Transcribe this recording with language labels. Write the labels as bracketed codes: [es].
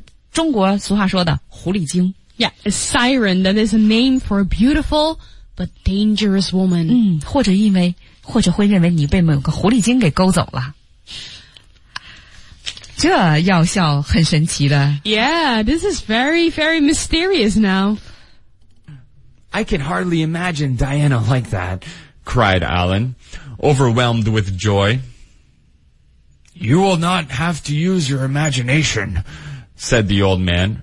[zh] Siren,是这个神话当中的海妖,就是那种可以任意,就咱们中国俗话说的狐狸精。 [en] Yeah, a siren, that is a name for a beautiful, but dangerous woman. [zh] 或者会认为你被某个狐狸精给勾走了。这药效很神奇的。Yeah, [en] this is very, very mysterious now. I can hardly imagine Diana like that, cried Alan, overwhelmed with joy. You will not have to use your imagination, said the old man.